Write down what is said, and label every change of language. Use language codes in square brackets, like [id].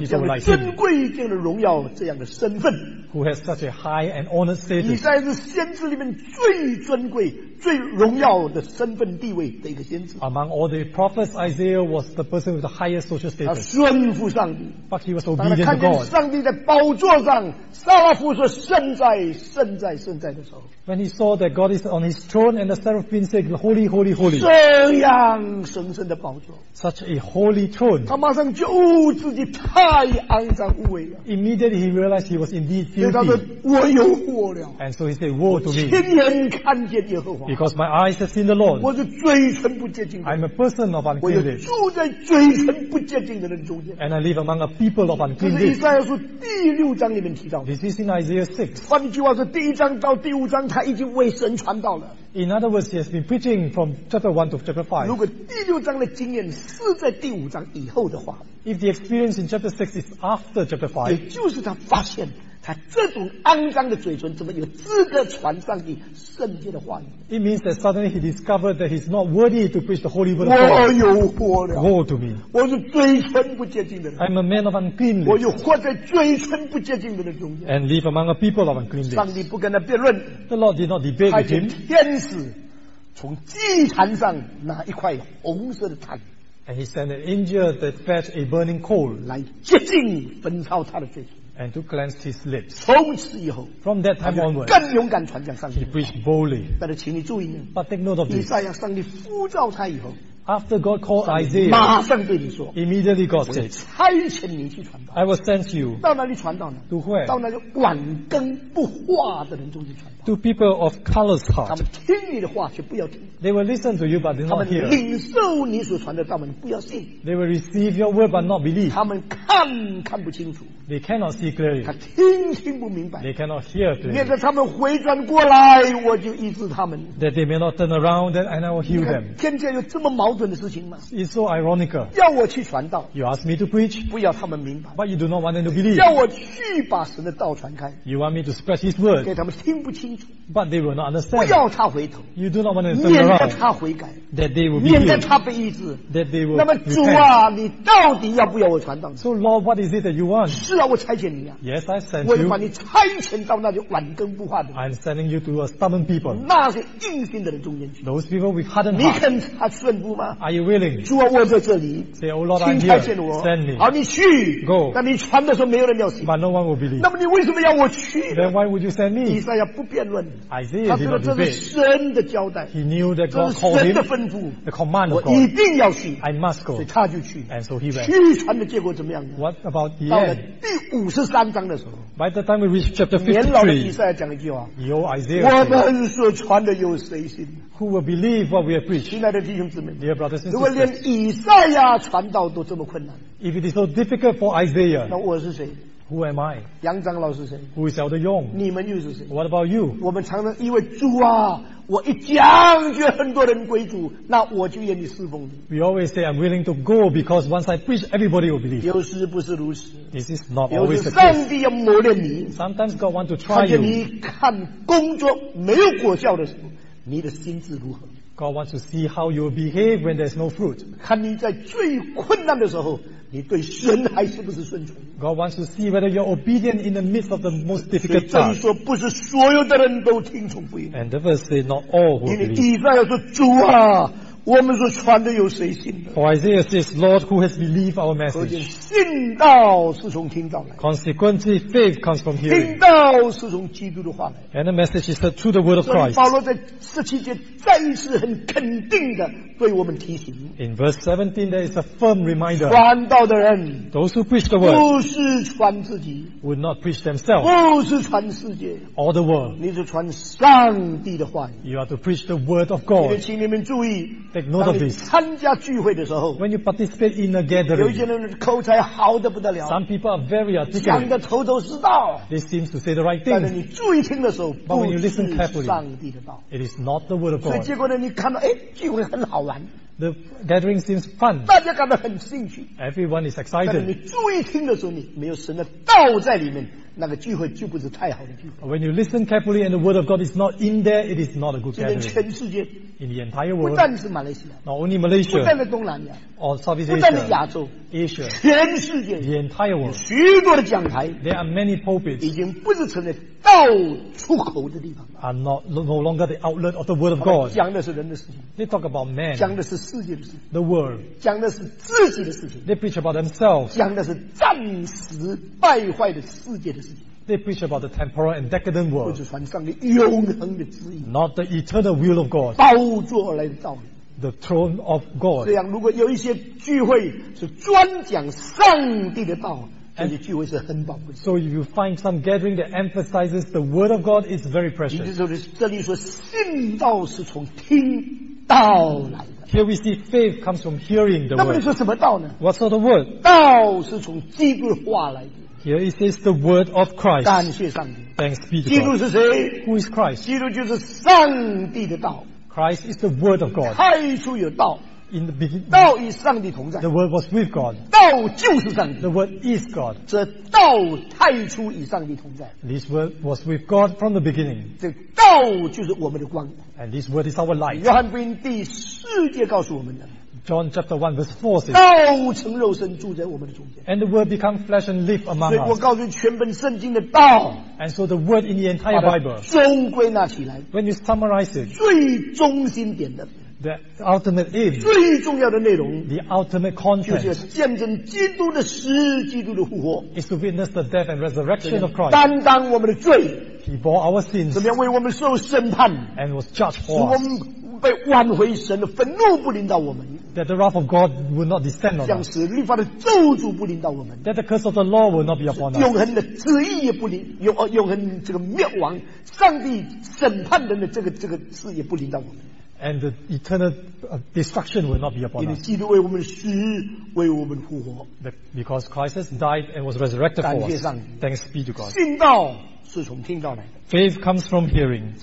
[zh] 有这样的尊贵、这样的荣耀、这样的身份。 [en] Who has such a high and honored status? [zh] 以赛亚是先知里面最尊贵、最荣耀的身份地位的一个先知。 [en] Among all the prophets, Isaiah was the person with the highest social status. [zh] 他顺服上帝。 [en] But he was obedient to God. [zh] 当他看见上帝在宝座上，撒拉夫说：“圣哉，圣哉，圣哉”的时候。 [en] When he saw that God is on his throne and the seraphim said, "Holy, holy, holy." [zh] 这样神圣的宝座。 [en] Such a holy throne. [zh] 他马上就自己太肮脏污秽了。 [en] Immediately he realized he was indeed filthy. [zh] 他说我有祸了。 [en] And so he said, "Woe to me." [zh] 亲眼看见耶和华。 [en] Because my eyes have seen the Lord. [zh] 我是嘴唇不洁净的。 [en] I'm a person of unclean lips. [zh] 我住在嘴唇不洁净的人中间。 [en] And I live among a people of unclean lips. [zh] 这是以赛亚书第六章里面提到的。 [en] This is in Isaiah 6. [zh] 换句话说，第一章到第五章。他已经为神传道了。 [en] In other words, he has been preaching from chapter 1 to chapter 5. [zh] 如果第六章的经验是在第五章以后的话， [en] If the experience in chapter 6 is after chapter 5, [zh] 也就是他发现他这种肮脏的嘴唇怎么有资格传上帝圣洁的话语。 [en] It means that suddenly he discovered that he's not worthy to preach the holy word of God. [zh] 我有祸了。 [en] Woe to me. [zh] 我是嘴唇不洁净的人。 [en] I'm a man of uncleanness. [zh] 我又活在嘴唇不洁净的人中间。 [en] And live among a people of uncleanness. [zh] 上帝不跟他辩论。 [en] The Lord did not debate with him. [zh] 天使从祭坛上拿一块红色的炭。 [en] And he sent an angel that fetched a burning coal. [zh] 来洁净焚烧他的罪。 [en] And to cleanse his lips. [zh] 从此以后， [en] from that time onward, [zh] 更勇敢传讲上帝。 [en] He preached boldly. [zh] 但是请你注意， [en] but take note of this. [zh] 以赛亚上帝呼召他以后， [en] after God called Isaiah, [zh] 马上对你说， [en] immediately God said, [zh] 我差遣你去传道。 [en] I will send you. [zh] 到哪里传道呢？ [en] To where? [zh] 到那个晚更不化的人中间传道。 [en] To people of colorless heart. [zh] 他们听你的话却不要听。 [en] They will listen to you but they not hear. [zh] 他们领受你所传的道们不要信。 [en] They will receive your word but not believe. [zh] 他们看不清楚。 [en] They cannot see clearly. [zh] 他听不明白。 [en] They cannot hear clearly. [zh] 免得他们回转过来，我就医治他们。 [en] That they may not turn around and I will heal them. [zh] 天界有这么矛盾的事情吗？ [en] It's so ironical. [zh] 要我去传道。 [en] You ask me to preach. [zh] 不要他们明白。 [en] But you do not want them to believe. [zh] 要我去把神的道传开。 [en] You want me to spread his word. [zh] 给他们听不清楚。 [en] But they will not understand. [zh] 不要他回头。 [en] You do not want them to turn around. [zh] 免得他悔改。 [en] That they will be healed. [zh] 免得他被医治。 [en] That they will repent. [zh] 那么主啊，你到底要不要我传道？ [en] So Lord, what is it that you want? [zh] 是啊，我差遣你啊。 [en] Yes, I sent you. [zh] 我要把你差遣到那些晚更不化的人。 [en] I'm sending you to a stubborn people. [zh] 那些硬心的人中间去。 [en] Those people with hardened hearts. [zh] 你肯他顺服吗？ [en] Are you willing? [zh] 主啊，我在这里。 [en] Say, Oh Lord, I'm here. [zh] 请差遣我。 [en] Send me. [zh] 好，你去。 [en] Go. [zh] 那你传的时候，没有人要信。 [en] But no one will believe. [zh] 那么你为什么要我去？ [en] Then why would you send me? [zh] 以赛亚不辩论。 [en] Isaiah did not debate. [zh] 他知道这是神的交代。 [en] He knew that God called him. [zh] 这是神的吩咐。 [en] The command of God. [zh] 我一定要去。 [en] I must go. [zh] 所以他就去。 [en] And so he went. [zh] 去传的结果怎么样呢？ [en] What about the end? [zh] 到了第53章的时候。 [en] By the time we reach chapter 53, [zh] 年老的以赛亚讲一句话。由 [en] Isaiah. [zh] 我们所传的有谁信？ [en] Who will believe what we have preached? [zh] 亲爱的弟兄姊妹。 [en] Dear brothers and sisters. [zh] 如果连以赛亚传道都这么困难。 [en] If it is so difficult for Isaiah. [zh] 那我是谁？ [en] Who am I? [zh] 杨长老是谁？ [en] Who is Elder Yong? [zh] 你们又是谁？ [en] What about you? [zh] 我们常常因为主啊，我一讲就很多人归主，那我就愿意侍奉你。 [en] We always say I'm willing to go because once I preach, everybody will believe. [zh] 有时不是如此。 [en] This is not always the case. [zh] 有时上帝要磨练你。 [en] Sometimes God wants to try you. [zh] 看见你看工作没有果效的时候，你的心智如何？ [en] God wants to see how you behave when there's no fruit. [zh] 看你在最困难的时候。你对神还是不是顺从？ [en] God wants to see whether you're obedient in the midst of the most difficult [zh] time. 所以这里说不是所有的人都听从福音。 [en] And the verse says not all who believe. [zh] 因为以赛亚说主啊，我们所传的有谁信的？ [en] For Isaiah says, Lord, who has believed our message? [zh] 可见信道是从听到来。 [en] Consequently, faith comes from hearing. [zh] 听道是从基督的话来。 [en] And the message is through the word of Christ. [zh] 保罗在十七节再一次很肯定的对我们提醒。 [en] In verse 17, there is a firm reminder. [zh] 传道的人， [en] those who preach the word, [zh] 不是传自己， [en] would not preach themselves. [zh] 不是传世界， [en] or the world. [zh] 你是传上帝的话语。 [en] You are to preach the word of God. [zh] 请 你们注意。 [en] Take note of this. [zh] 参加聚会的时候， [en] when you participate in a gathering, [zh] 有些人口才好得不得了， [en] some people are very articulate, [zh] 讲得头头是道， [en] they seem to say the right thing. [zh] 但是你注意听的时候， [en] but when you listen carefully, [zh] 不是上帝的道， [en] it is not the word of God. [zh] 所以结果呢，你看到，哎，聚会很好玩。 [en] The gathering seems fun. [zh] 大家感到很兴趣。 [en] Everyone is excited. [zh] 但是你注意听的时候，你没有神的道在里面，那个聚会就不是太好的聚会。 [en] When you listen carefully and the word of God is not in there, it is not a good gathering. [zh] 今天全世界， [en] in the entire world, [zh] 不但是马来西亚， [en] not only Malaysia, [zh] 不但是东南亚， [en] or Southeast Asia, [zh] 不但是亚洲， [en] Asia, [zh] 全世界， [en] the entire world, [zh] 许多的讲台， [en] there are many pulpits, [zh] 已经不是成为道出口的地方。 [en] Are not no longer the outlet of the word of God. [zh] 讲的是人的事情。 [en] They talk about man. [zh] 讲的是世界的事。 [en] The world. [zh] 讲的是自己的事情。 [en] They preach about themselves. [zh] 讲的是暂时败坏的世界的事情。 [en] They preach about the temporal and decadent world. [zh] 不是传上帝永恒的旨意。 [en] Not the eternal will of God. [zh] 宝座来的道理。 [en] The throne of God. [zh] 这样，如果有一些聚会是专讲上帝的道。 [en] And the [zh] 聚会是很宝贵。 [en] So if you find some gathering that emphasizes the word of God, it's very precious. [zh] 也就是这里说，信道是从听道来的。 [en] Here we see faith comes from hearing the word. [zh] 那么你说什么道呢？ [en] What sort of word? [zh] 道是从基督的话来的。 [en] Here it says the word of Christ. [zh] 感谢上帝。 [en] Thanks be to God. [zh] 基督是谁？ [en] Who is Christ? [zh] 基督就是上帝的道。 [en] Christ is the word of God. [zh] 开出有道。 [en] in the beginning. [zh] 道与上帝同在。 [en] The word was with God. [zh] 道就是上帝。 [en] The word is God. [zh] 这道太初与上帝同在。 [en] This word was with God from the beginning. [zh] 这道就是我们的光。 [en] And this word is our light. [zh] 约翰福音第四节告诉我们的。 [en] John chapter 1 verse 4 says, [zh] 道成肉身住在我们的中间。 [en] And the word become flesh and live among us. [zh] 所以我告诉你全本圣经的道。 [en] And so the word in the entire Bible. [zh] 把它终归纳起来。 [en] When you summarize it. [zh] 最中心点的。 [en] The ultimate aim. [zh] 最重要的内容。 [en] The ultimate content. [zh] 就是见证基督的死，基督的复活。 [en] Is to witness the death and resurrection of Christ. [zh] 担当我们的罪。 [en] He bore our sins. [zh] 怎么样为我们受审判。 [en] And was judged for us. [zh] 使我们被挽回，神的愤怒不临到我们。 [en] That the wrath of God will not descend on us. [zh] 像是律法的咒诅不临到我们。 [en] That the curse of the law will not be upon us. [zh] 永恒的旨意也不临，永恒这个灭亡，上帝审判人的这个事也不临到我们。 [en] And the eternal destruction will not be upon us. [zh] 因为基督为我们死，为我们复活。 Because Christ has died and was resurrected for us. Thanks be to God. 信道是从听到来的。 [en] Faith comes from hearing.